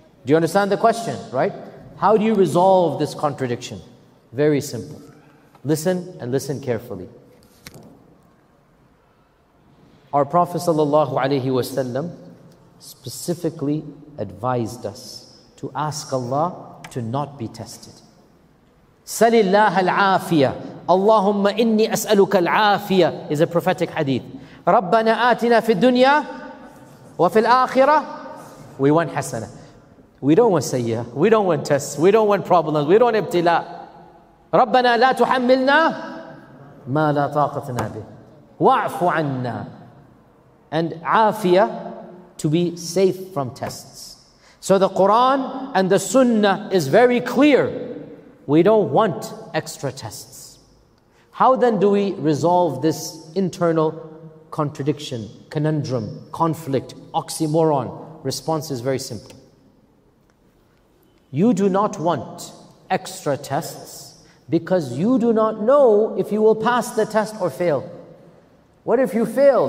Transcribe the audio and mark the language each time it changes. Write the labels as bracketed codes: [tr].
[en] Do you understand the question, right? How do you resolve this contradiction? Very simple. Listen and listen carefully. Our Prophet sallallahu alaihi wasallam specifically advised us to ask Allah to not be tested. [ar] سَلِ اللَّهَ الْعَافِيَةِ اللَّهُمَّ إِنِّي أَسْأَلُكَ الْعَافِيَةِ [en] is a prophetic hadith. [ar] رَبَّنَا آتِنَا فِي الدُّنْيَا وَفِي الْآخِرَةِ [en] We want hasana. We don't want sayyah. We don't want tests. We don't want problems. We don't want ibtila. [ar] رَبَّنَا لَا تُحَمِّلْنَا مَا لَا طَاقَتْنَا بِهِ وَعْفُ عَنَّا [en] And [ar] عافية [en] to be safe from tests. So the Quran and the Sunnah is very clear. We don't want extra tests. How then do we resolve this internal contradiction, conundrum, conflict, oxymoron? Response is very simple. You do not want extra tests because you do not know if you will pass the test or fail. What if you fail?